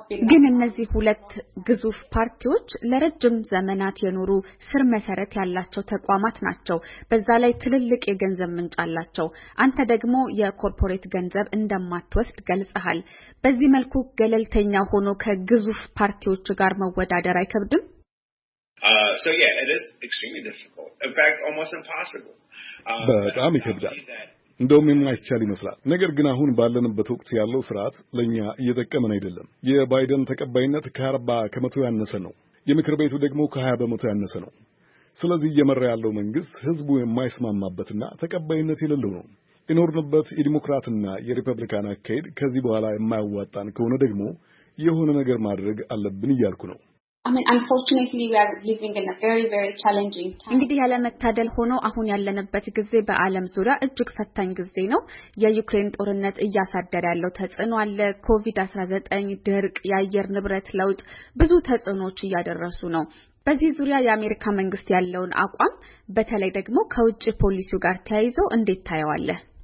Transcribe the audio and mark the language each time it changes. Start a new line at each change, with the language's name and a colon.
Amharic: ግን እነዚህ ሁለት ግዙፍ ፓርቲዎች ለረጅም ዘመናት የኖሩ ስር መሰረት ያላቸው ተቋማት ናቸው። በዛ ላይ ትልልቅ የገንዘብ ምንጭ አላቸው። አንተ ደግሞ የኮርፖሬት ገንዘብ እንደማትወስድ ገልጸሃል። በዚህ መልኩ ገለልተኛ ሆኖ ከግዙፍ ፓርቲዎች ጋር መወዳደር አይከብድም?
English: It is extremely difficult. In fact, almost impossible.
Amharic: በጣም ይከብዳል። እንደውም የማይቻል ይመስላል። ነገር ግን አሁን ባለንበት ወቅት ያለው ፍርሃት ለኛ እየተቀመነ አይደለም። የባይደን ተቀባይነት ከ40% ያነሰ ነው። የምክር ቤቱ ደግሞ ከ20% ያነሰ ነው። ስለዚህ እየመረ ያለው መንግስት ህዝቡ የማይስማማበትና ተቀባይነት የሌለው ነው። ይኖርንበት የዲሞክራትና የሪፐብሊካን አካሄድ ከዚህ በኋላ የማይዋጣን ከሆነ ደግሞ የሆነ ነገር ማድረግ አለብን እያልኩ ነው።
English: Unfortunately we are living in a very very challenging time.
Amharic: እንግዲህ ያለመታደል ሆኖ አሁን ያለንበት ጊዜ በአለም ዙሪያ እጅግ ፈታኝ ጊዜ ነው። የዩክሬን ጦርነት እያሳደረ ያለው ተጽዕኖ አለ። ኮቪድ-19፣ ድርቅ፣ የአየር ንብረት ለውጥ ብዙ ተጽዕኖዎች እያደረሱ ነው። በዚህ ዙሪያ የአሜሪካ መንግስት ያለውን አቋም በተለይ ደግሞ ከውጭ ፖሊሲው ጋር ተያይዞ እንዴት ታየዋለህ?